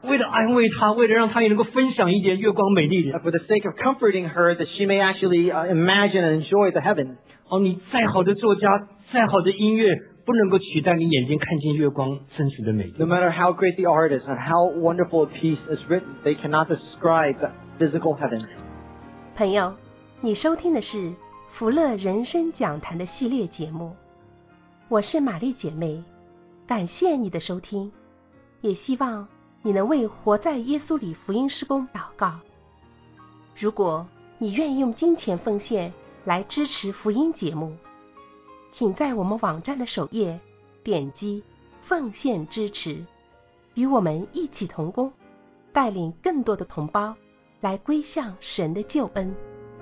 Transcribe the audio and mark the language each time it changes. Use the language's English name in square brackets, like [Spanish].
[Chinese] 为了安慰她，为了让她也能够分享一点月光美丽的。 [English] For the sake of comforting her, that she may actually imagine and enjoy the heaven. [Chinese] 哦，你再好的作家，再好的音乐，不能够取代你眼睛看见月光真实的美丽。 [English] No matter how great the artist and how wonderful a piece is written, they cannot describe the physical heaven. [Chinese] 朋友，你收听的是福乐人生讲坛的系列节目，我是玛丽姐妹。感谢你的收听，也希望你能为活在耶稣里福音事工祷告。如果你愿意用金钱奉献来支持福音节目，请在我们网站的首页点击奉献支持，与我们一起同工，带领更多的同胞来归向神的救恩。